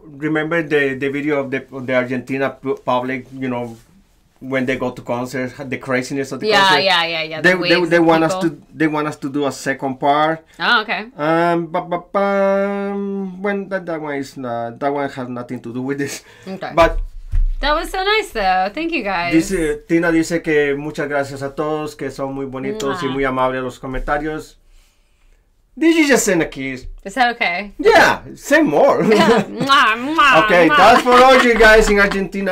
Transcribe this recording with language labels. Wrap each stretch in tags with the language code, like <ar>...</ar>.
<en>Remember the video of the Argentina public, you know, when they go to concerts, the craziness of the concert. Yeah. They want us to do a second part. Oh, okay. That one has nothing to do with this. Okay. But that was so nice, though. Thank you, guys.</en> <es>Tina dice que muchas gracias a todos, que son muy bonitos y muy amables los comentarios.</es> <en>Did you just send a kiss? Is that okay? Yeah, send more. Okay, that's for all you guys in Argentina.</en>